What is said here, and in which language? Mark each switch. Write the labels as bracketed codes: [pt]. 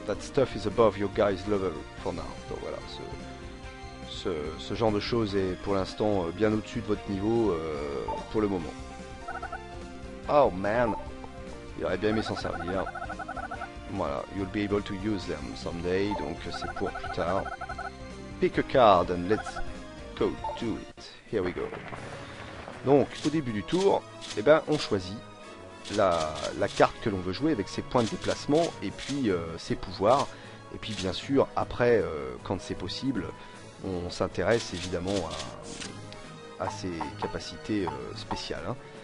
[en] That stuff is above your guy's level for now. [fr] Donc voilà. Ce genre de choses est pour l'instant bien au-dessus de votre niveau pour le moment. [en] Oh man. [fr] Il aurait bien aimé s'en servir. Voilà, [en] you'll be able to use them someday, [fr] donc c'est pour plus tard. [en] Pick a card and let's go do it. Here we go. [fr] Donc, au début du tour, eh ben, on choisit la carte que l'on veut jouer avec ses points de déplacement et puis ses pouvoirs. Et puis bien sûr, après, quand c'est possible, on s'intéresse évidemment à ses capacités spéciales. Hein.